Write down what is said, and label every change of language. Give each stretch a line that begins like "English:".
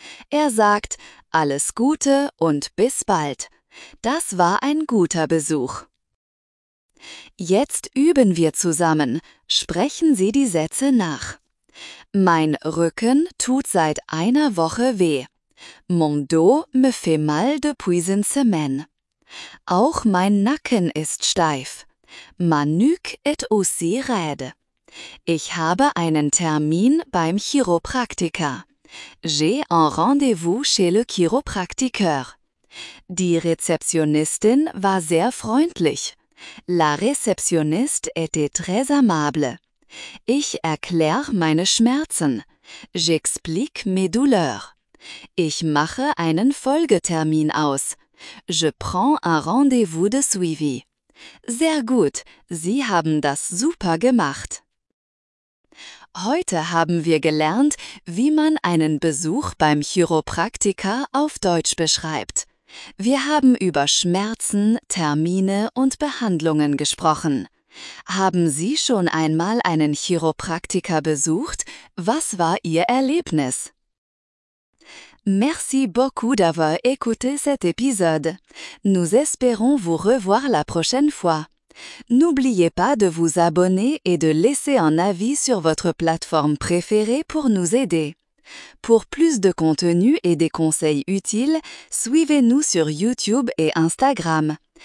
German: Er sagt, alles Gute und bis bald. Das war ein guter Besuch. Jetzt üben wir zusammen. Sprechen Sie die Sätze nach. Mein Rücken tut seit einer Woche weh.
French: Mon dos me fait mal depuis une semaine.
German: Auch mein Nacken ist steif.
French: Ma nuque est aussi raide.
German: Ich habe einen Termin beim Chiropraktiker.
French: J'ai un rendez-vous chez le chiropracticeur.
German: Die Rezeptionistin war sehr freundlich.
French: La réceptionniste était très amable.
German: Ich erkläre meine Schmerzen.
French: J'explique mes douleurs.
German: Ich mache einen Folgetermin aus.
French: Je prends un rendez-vous de suivi.
German: Sehr gut, Sie haben das super gemacht. Heute haben wir gelernt, wie man einen Besuch beim Chiropraktiker auf Deutsch beschreibt. Wir haben über Schmerzen, Termine und Behandlungen gesprochen. Haben Sie schon einmal einen Chiropraktiker besucht? Was war Ihr Erlebnis?
French: Merci beaucoup d'avoir écouté cet épisode. Nous espérons vous revoir la prochaine fois. N'oubliez pas de vous abonner et de laisser un avis sur votre plateforme préférée pour nous aider. Pour plus de contenu et des conseils utiles, suivez-nous sur YouTube et Instagram.